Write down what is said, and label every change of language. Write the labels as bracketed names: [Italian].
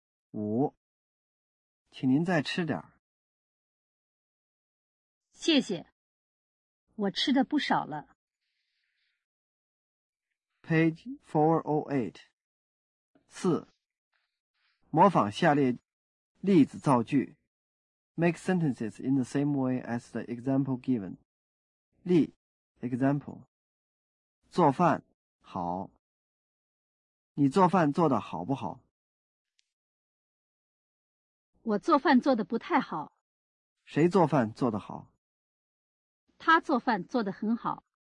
[Chinese] 五，请您再吃点。谢谢，我吃的不少了。 [English] Page 408， [Chinese] 四，模仿下列例子造句。 [English] Make sentences in the same way as the example given. [Chinese] 例Example， 做饭好。你做饭做得好不好？我做饭做得不太好。谁做饭做得好？他做饭做得很好。